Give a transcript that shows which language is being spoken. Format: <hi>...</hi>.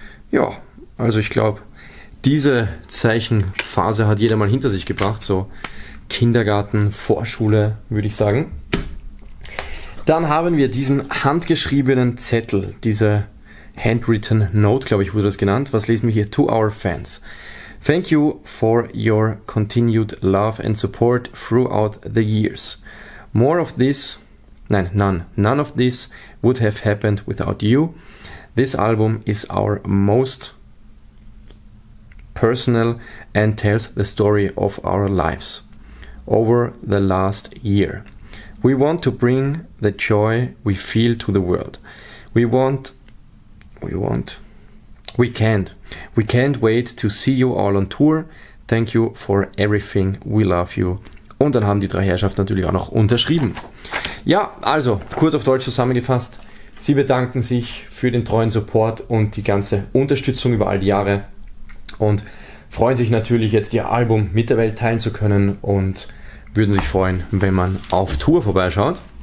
<de>Ja, also ich glaube, diese Zeichenphase hat jeder mal hinter sich gebracht. So Kindergarten, Vorschule, würde ich sagen. Dann haben wir diesen handgeschriebenen Zettel, diese Handwritten Note, glaube ich, wurde das genannt. Was lesen wir hier?</de> <en>To our fans. Thank you for your continued love and support throughout the years. More of this, nein, none. None of this would have happened without you. This album is our most personal and tells the story of our lives over the last year. We want to bring the joy we feel to the world. We can't wait to see you all on tour. Thank you for everything. We love you.</en> <de>Und dann haben die drei Herrschaften natürlich auch noch unterschrieben. Ja, also kurz auf Deutsch zusammengefasst. Sie bedanken sich für den treuen Support und die ganze Unterstützung über all die Jahre und freuen sich natürlich jetzt ihr Album mit der Welt teilen zu können und würden sich freuen, wenn man auf Tour vorbeischaut.</de>